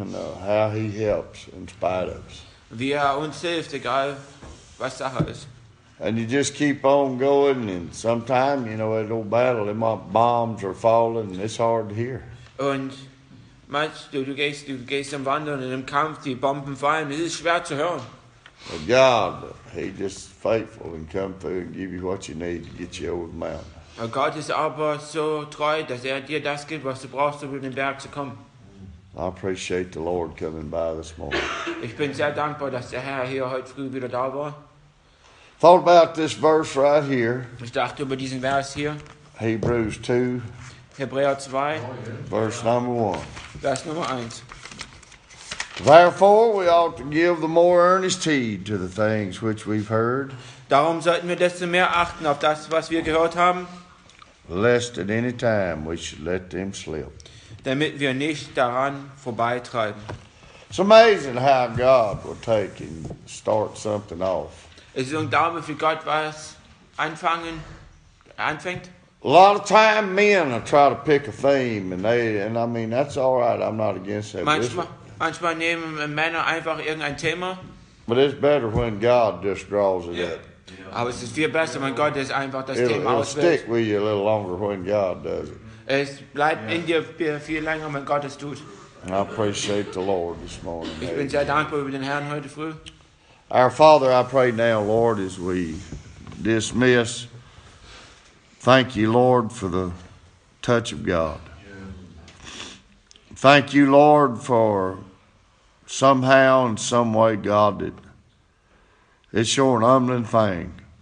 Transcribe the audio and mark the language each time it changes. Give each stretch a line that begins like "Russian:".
English: And how he helps in spite of us.
German: Wie er ons hilft, egal was Sache ist.
English: And you just keep on going, and sometime, you know, at old battle, my bombs are falling, and it's hard to hear.
German: Und Du gehst am Wandern in dem Kampf, die Bomben fallen, es ist schwer zu hören.
English: But God, he just faithful and come through and give you what you need to get you over the mountain.
German: Und Gott ist aber so treu, dass dir das gibt, was du brauchst, um über den Berg zu kommen.
English: I appreciate the Lord coming by this morning.
German: Ich bin sehr dankbar, dass der Herr hier heute früh wieder da war.
English: Thought about this verse right here.
German: Ich dachte über diesen Vers hier.
English: Hebrews 2.
German: Hebräer 2.
English: Verse number 1.
German: Vers Nummer 1.
English: Therefore we ought to give the more earnest heed to the things which we've heard.
German: Darum sollten wir desto mehr achten auf das, was wir gehört haben.
English: Lest at any time we should let them slip.
German: Damit wir nicht daran vorbeitreiben.
English: It's amazing how God will take and start something off.
German: Es ist unglaublich, wie Gott was anfängt.
English: A lot of time men will try to pick a theme, and that's all right. I'm not against that.
German: Manchmal nehmen Männer einfach irgendein Thema.
English: But it's better when God just draws it up.
German: Aber es ist viel besser, wenn Gott das einfach das
English: it'll,
German: Thema auswählt.
English: It'll stick with you a little longer when God does it.
German: Es bleibt in dir viel länger, wenn Gott es tut.
English: And I appreciate the Lord this morning.
German: Ich bin sehr dankbar über den Herrn heute früh.
English: Our Father, I pray now, Lord, as we dismiss. Thank you, Lord, for the touch of God. Thank you, Lord, for somehow and some way, God, that it's sure an humbling thing.